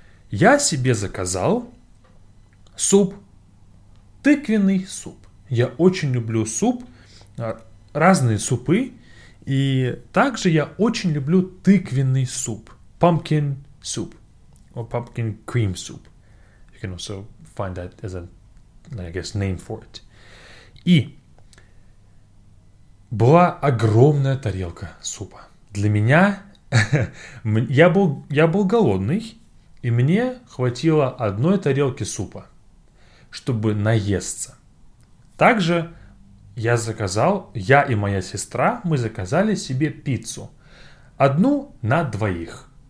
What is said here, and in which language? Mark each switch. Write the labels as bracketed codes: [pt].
[ru] Я себе заказал суп, тыквенный суп. Я очень люблю суп, разные супы. И также я очень люблю тыквенный суп. [en] Pumpkin soup or pumpkin cream soup. You can also find that as name for it. [ru] И была огромная тарелка супа. Для меня, я был голодный, и мне хватило одной тарелки супа, чтобы наесться. Также я и моя сестра заказали себе пиццу. 1 на 2.